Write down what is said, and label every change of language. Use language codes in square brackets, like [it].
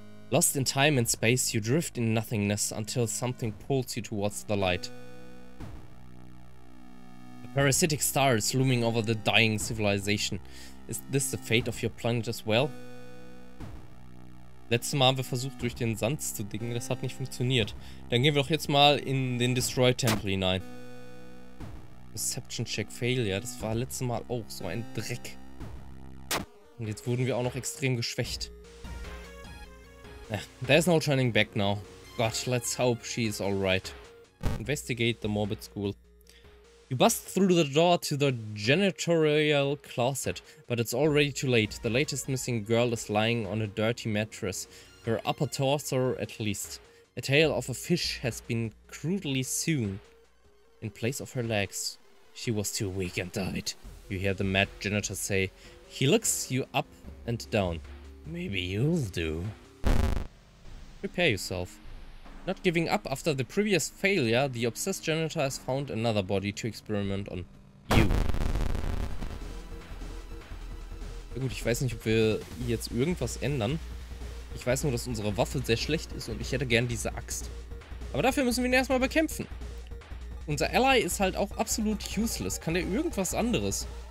[en] Lost in time and space, you drift in nothingness until something pulls you towards the light. A parasitic star is looming over the dying civilization. Is this the fate of your planet as well? [de] Letztes Mal haben wir versucht, durch den Sand zu dingen. Das hat nicht funktioniert. Dann gehen wir doch jetzt mal in den Destroyed Temple hinein. [en] Perception Check Failure. [de] Das war letztes Mal auch so ein Dreck. Und jetzt wurden wir auch noch extrem geschwächt. [en] There's no turning back now. God, let's hope she is alright. Investigate the morbid school. You bust through the door to the janitorial closet, but it's already too late. The latest missing girl is lying on a dirty mattress, her upper torso at least. A tail of a fish has been crudely sewn in place of her legs. She was too weak and died, you hear the mad janitor say. He looks you up and down. Maybe you'll do. Prepare yourself. Not giving up after the previous failure, the obsessed janitor has found another body to experiment on you. [de] Ja gut, ich weiß nicht, ob wir jetzt irgendwas ändern. Ich weiß nur, dass unsere Waffe sehr schlecht ist und ich hätte gern diese Axt. Aber dafür müssen wir ihn erstmal bekämpfen. Unser Ally ist halt auch absolut useless. Kann der irgendwas anderes?